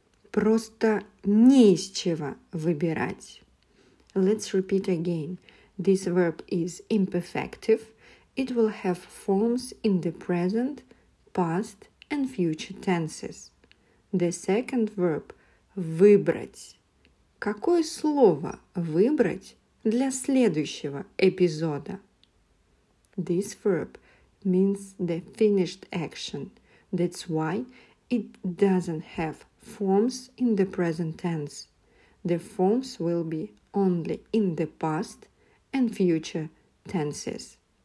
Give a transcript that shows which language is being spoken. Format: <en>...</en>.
<ru>Просто не из чего выбирать.</ru> <en>Let's repeat again. This verb is imperfective. It will have forms in the present, past, and future tenses. The second verb – выбрать.</en> <ru>Какое слово выбрать для следующего эпизода?</ru> <en>This verb means the finished action. That's why it doesn't have forms in the present tense. The forms will be only in the past and future tenses.</en>